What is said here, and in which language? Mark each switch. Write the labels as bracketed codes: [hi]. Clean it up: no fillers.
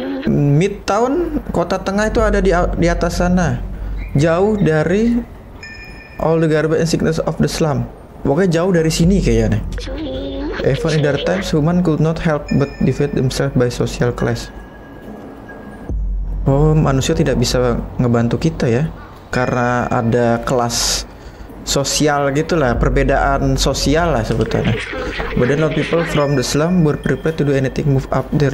[id] Midtown, kota tengah itu ada di atas sana. Jauh dari [en] all the garbage and sickness of the slum. [id] Pokoknya jauh dari sini kayaknya. [en] Even in their times, human could not help but divide themselves by social class. [id] Oh, manusia tidak bisa ngebantu kita ya. Karena ada kelas sosial gitulah, perbedaan sosial lah sebetulnya. [en] But then all people from the slum were prepared to do anything move up there.